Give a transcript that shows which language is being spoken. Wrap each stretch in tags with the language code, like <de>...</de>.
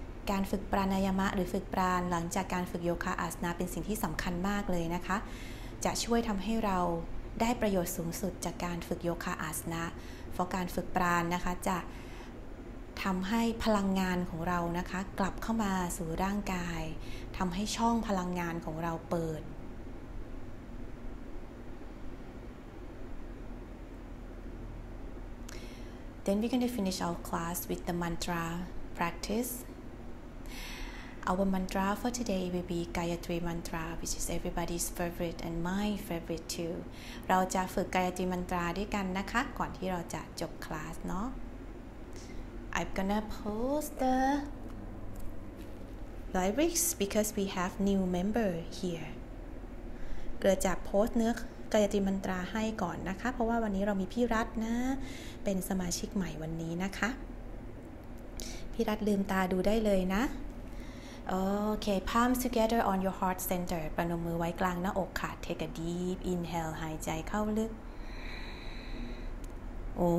<th>การฝึกปราณายามะหรือฝึกปราณหลังจากการฝึกโยคะอาสนะเป็นสิ่งที่สำคัญมากเลยนะคะจะช่วยทำให้เราได้ประโยชน์สูงสุดจากการฝึกโยคะอาสนะเพราะการฝึกปราณนะคะจะทำให้พลังงานของเรานะคะกลับเข้ามาสู่ร่างกายทำให้ช่องพลังงานของเราเปิด</th> <en>Then we're going to finish our class with the mantra practice. Our mantra for today will be Gayatri Mantra, which is everybody's favorite and my favorite too.</en> <th>เราจะฝึก Gayatri Mantra ด้วยกันนะคะก่อนที่เราจะจบคลาสเนาะ</th> <en>I'm gonna post the lyrics because we have new member here.</en> <th>เราจะโพสต์เนื้อกายตรีมันตราให้ก่อนนะคะเพราะว่าวันนี้เรามีพี่รัฐนะเป็นสมาชิกใหม่วันนี้นะคะพี่รัฐลืมตาดูได้เลยนะโอเค</th> <en>palms together on your heart center</en> <th>ประนมมือไว้กลางหน้าอกค่ะ</th> <en>take a deep inhale</en> <th>หายใจเข้าลึกโ</th>